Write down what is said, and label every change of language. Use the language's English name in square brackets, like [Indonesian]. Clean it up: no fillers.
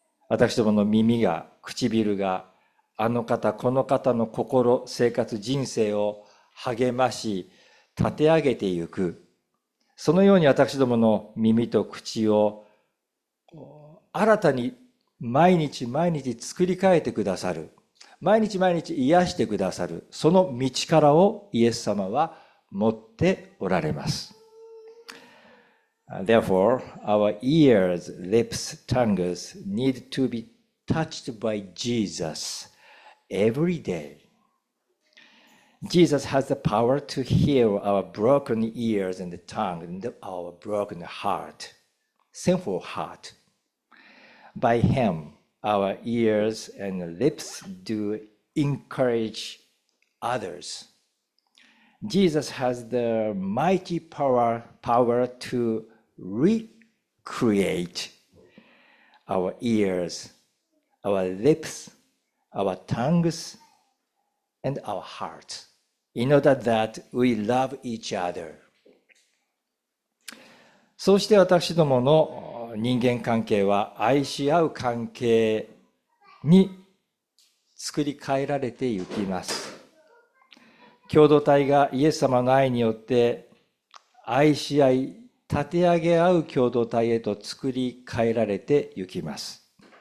[Japanese] 私どもの耳が、唇が、あの方、この方の心、生活、人生を励まし、立て上げていく、そのように私どもの耳と口を新たに毎日毎日作り変えてくださる、毎日毎日癒してくださる、その道からをイエス様は持っておられます。 [English] Therefore, our ears, lips, tongues need to be touched by Jesus every day. Jesus has the power to heal our broken ears and tongue and our broken heart, sinful heart. By Him, our ears and lips do encourage others. Jesus has the mighty power to recreate our ears, our lips, our tongues, and our hearts. In order that we love each other. [Japanese] そうして私どもの人間関係は愛し合う関係に作り変えられていきます。共同体がイエス様の愛によって愛し合い、立て上げ合う共同体へと作り変えられていきます。